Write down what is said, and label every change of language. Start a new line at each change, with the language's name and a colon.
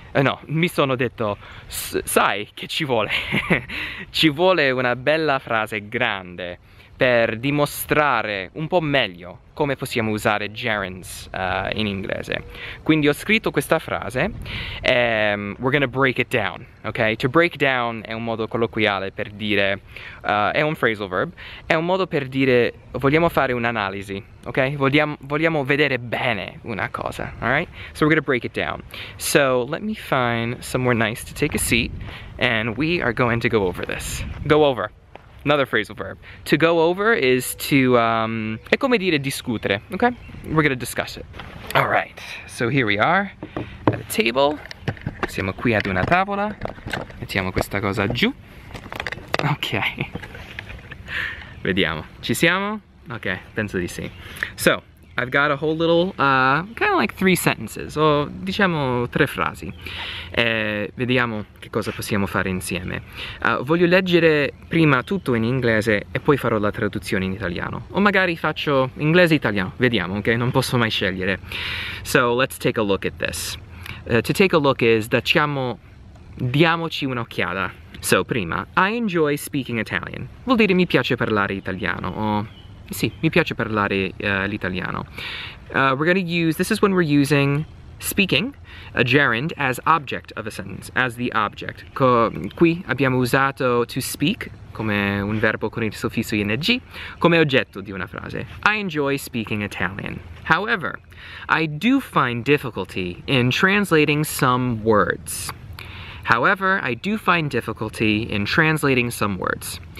Italian: No, mi sono detto, sai che ci vuole? Ci vuole una bella frase grande per dimostrare un po' meglio come possiamo usare gerunds in inglese. Quindi ho scritto questa frase,
English: we're gonna break it down,
Italian: ok? To break down è un modo colloquiale per dire, è un phrasal verb, è un modo per dire, vogliamo fare un'analisi, ok? Vogliamo vedere bene una cosa, alright?
English: So we're gonna break it down. So let me find somewhere nice to take a seat, and we are going to go over this. Go over. Another phrasal verb. To go over is to,
Italian: è come dire discutere,
English: okay? We're gonna discuss it. All right, so here we are at a table.
Italian: Siamo qui ad una tavola. Mettiamo questa cosa giù. Okay. Vediamo. Ci siamo?
English: Okay,
Italian: penso di sì.
English: So, I've got a whole little, kind of like three sentences,
Italian: o diciamo tre frasi. Vediamo che cosa possiamo fare insieme. Voglio leggere prima tutto in inglese e poi farò la traduzione in italiano. O magari faccio inglese e italiano. Vediamo, ok? Non posso mai scegliere.
English: So, let's take a look at this. To take a look is,
Italian: diamoci un'occhiata. So, prima,
English: I enjoy speaking Italian.
Italian: Vuol dire mi piace parlare italiano, o... Sì, mi piace parlare l'italiano.
English: We're going to use, this is when we're using speaking, a gerund, as object of a sentence, as the object.
Italian: Qui abbiamo usato to speak, come un verbo con il suffisso ing, come oggetto di una frase.
English: I enjoy speaking Italian. However, I do find difficulty in translating some words. However, I do find difficulty in translating some words.